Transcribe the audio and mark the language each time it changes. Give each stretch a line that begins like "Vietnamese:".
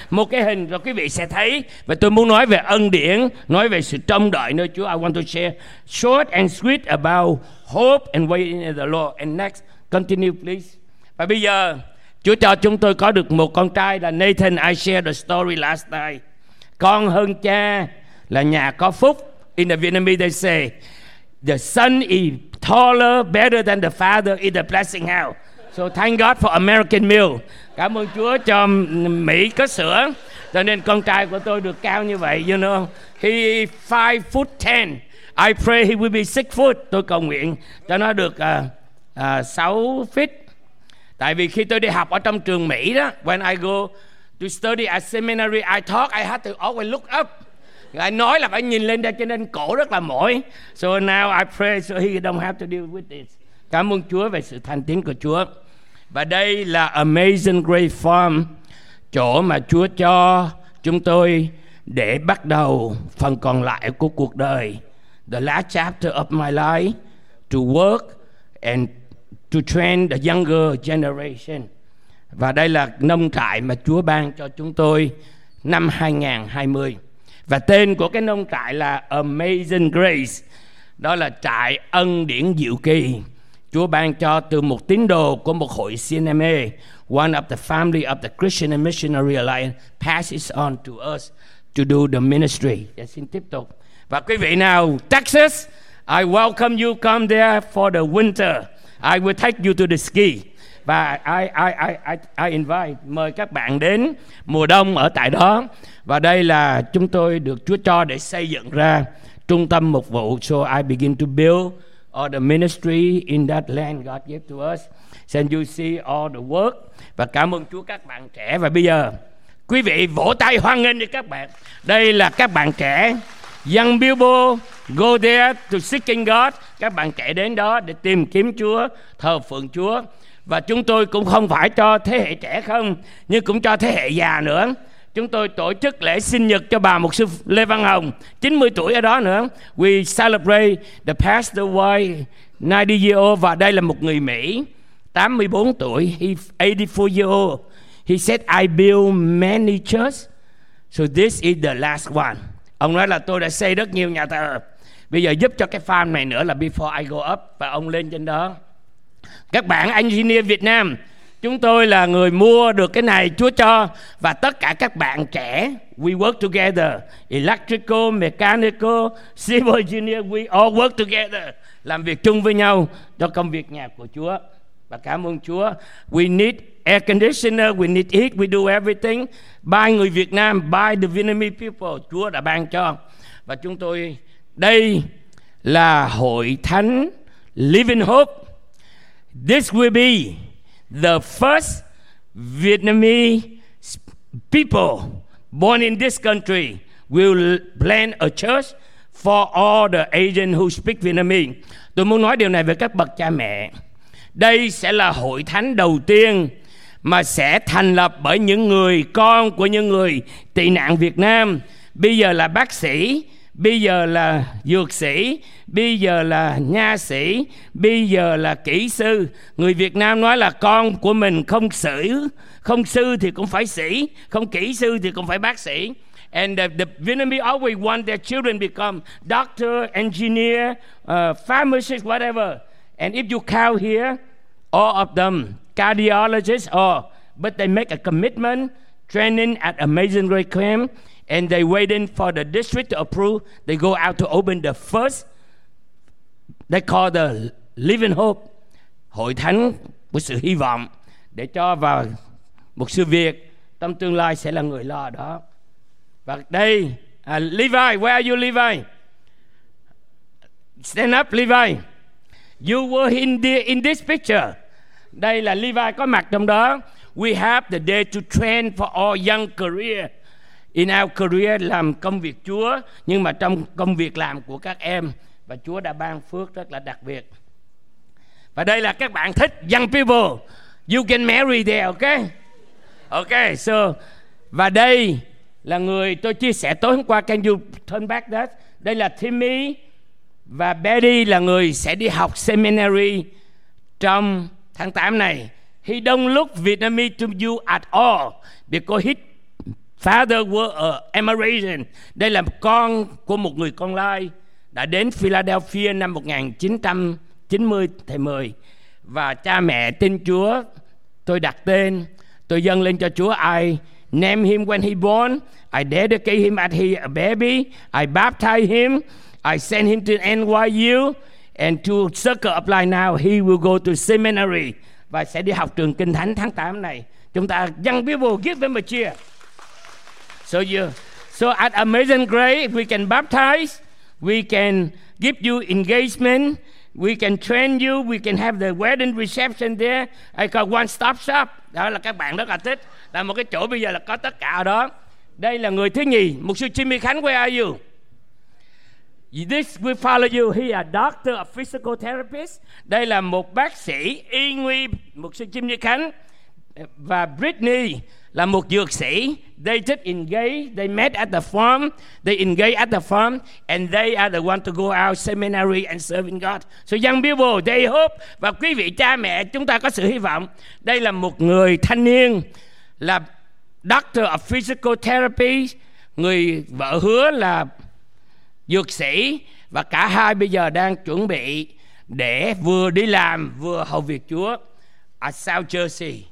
Vietnamese: Một cái hình rồi quý vị sẽ thấy. Và tôi muốn nói về ân điển, nói về sự trông đợi nơi Chúa.
English: I want to share short and sweet about hope and waiting in the Lord. And next, continue please.
Vietnamese: Và bây giờ Chúa cho chúng tôi có được một con trai là Nathan.
English: I share the story last night.
Vietnamese: Con hơn cha là nhà có phúc.
English: In the Vietnamese they say the son is taller, better than the father in the blessing house. So thank God for American milk.
Vietnamese: Cảm ơn Chúa cho Mỹ có sữa. Cho nên con trai của tôi được cao như vậy,
English: you know. He 5'10". I pray he will be 6'.
Vietnamese: Tôi cầu nguyện cho nó được 6 feet. Tại vì khi tôi đi học ở trong trường Mỹ đó,
English: when I go to study at seminary, I talk, I have to always look up.
Vietnamese: I nói là phải nhìn lên đây cho nên cổ rất là mỏi.
English: So now I pray so he don't have to deal with this.
Vietnamese: Cảm ơn Chúa về sự thành tín của Chúa. Và đây là Amazing Grace Farm, chỗ mà Chúa cho chúng tôi để bắt đầu phần còn lại của cuộc đời.
English: The last chapter of my life, to work and to train the younger generation.
Vietnamese: Và đây là nông trại mà Chúa ban cho chúng tôi năm 2020. Và tên của cái nông trại là Amazing Grace. Đó là trại ân điển diệu kỳ. Chúa ban cho từ một tín đồ của một hội CNMA, one of the family of the Christian and Missionary Alliance, passes on to us to do the ministry. Để xin tiếp tục. Và quý vị nào,
English: Texas, I welcome you come there for the winter. I will take you to the ski.
Vietnamese: Và I invite, mời các bạn đến mùa đông ở tại đó. Và đây là chúng tôi được Chúa cho để xây dựng ra trung tâm mục vụ.
English: So I begin to build all the ministry in that land God gave to us. Then you see all the work.
Vietnamese: Và cảm ơn Chúa các bạn trẻ. Và bây giờ quý vị vỗ tay hoan nghênh đi các bạn. Đây là các bạn trẻ,
English: young people go there to seeking God.
Vietnamese: Các bạn trẻ đến đó để tìm kiếm Chúa, thờ phượng Chúa. Và chúng tôi cũng không phải cho thế hệ trẻ không, nhưng cũng cho thế hệ già nữa. Chúng tôi tổ chức lễ sinh nhật cho bà Mục sư Lê Văn Hồng, 90 tuổi ở đó nữa.
English: We celebrate the passed away 90 years old.
Vietnamese: Và đây là một người Mỹ, 84 tuổi,
English: 84 years old. He said, I build many churches, so this is the last one.
Vietnamese: Ông nói là tôi đã xây rất nhiều nhà thờ, bây giờ giúp cho cái farm này nữa là
English: before I go up.
Vietnamese: Và ông lên trên đó. Các bạn engineer Việt Nam, chúng tôi là người mua được cái này Chúa cho. Và tất cả các bạn trẻ,
English: we work together. Electrical, mechanical, civil engineer, we all work together.
Vietnamese: Làm việc chung với nhau cho công việc nhà của Chúa. Và cảm ơn Chúa.
English: We need air conditioner, we need heat, we do everything.
Vietnamese: By người Việt Nam,
English: by the Vietnamese people,
Vietnamese: Chúa đã ban cho. Và chúng tôi, đây là hội thánh Living Hope.
English: This will be the first Vietnamese people born in this country will plant a church for all the Asian who speak Vietnamese.
Vietnamese: Tôi muốn nói điều này với các bậc cha mẹ. Đây sẽ là hội thánh đầu tiên mà sẽ thành lập bởi những người con của những người tị nạn Việt Nam. Bây giờ là bác sĩ, bây giờ là dược sĩ, bây giờ là nha sĩ, bây giờ là kỹ sư. Người Việt Nam nói là con của mình không sử, không sư thì cũng phải sĩ, không kỹ sư thì cũng phải bác sĩ.
English: And the Vietnamese always want their children become doctor, engineer, pharmacist, whatever. And if you count here, all of them, cardiologists, all, but they make a commitment, training at Amazing Grace Camp, and they waiting for the district to approve, they go out to open the first, they call the Living Hope,
Vietnamese: hội thánh của sự hy vọng, để cho vào một sự việc, trong tương lai sẽ là người lo đó. Và đây,
English: Levi, where are you, Levi? Stand up, Levi. You were in this picture.
Vietnamese: Đây là Levi có mặt trong đó.
English: We have the day to train for all young career. In our career,
Vietnamese: làm công việc Chúa, nhưng mà trong công việc làm của các em, và Chúa đã ban phước rất là đặc biệt. Và đây là các bạn thích young people.
English: You can marry there, okay?
Vietnamese: Okay, so, và đây là người tôi chia sẻ tối hôm qua.
English: Can you turn back that?
Vietnamese: Đây là Timmy và Betty, là người sẽ đi học seminary trong tháng 8 này.
English: He don't look Vietnamese to you at all because his father was an American.
Vietnamese: Đây là con của một người con lai đã đến Philadelphia năm 1990 thầy 10. Và cha mẹ tin Chúa, tôi đặt tên, tôi dâng lên cho Chúa.
English: I name him when he born, I dedicate him as he a baby, I baptize him, I send him to NYU, and to circle apply now, he will go to seminary
Vietnamese: và sẽ đi học trường Kinh Thánh tháng 8 này. Chúng ta
English: young people, give them a cheer. So you, so at Amazing Grace, we can baptize, we can give you engagement, we can train you, we can have the wedding reception there. I got one stop shop.
Vietnamese: Đó là các bạn rất là thích. Là một cái chỗ bây giờ là có tất cả ở đó. Đây là người thứ nhì, Mục sư Jimmy Khánh,
English: where are you? This will follow you. He is a doctor of physical therapist.
Vietnamese: Đây là một bác sĩ y nguy, Mục sư Jimmy Khánh. Và Brittany là một dược sĩ.
English: They just engaged, they met at the farm, they engaged at the farm, and they are the one to go out seminary and serving God. So young people, they hope.
Vietnamese: Và quý vị cha mẹ, chúng ta có sự hy vọng. Đây là một người thanh niên, là
English: doctor of physical therapy,
Vietnamese: người vợ hứa là dược sĩ, và cả hai bây giờ đang chuẩn bị để vừa đi làm vừa hầu việc Chúa ở South Jersey.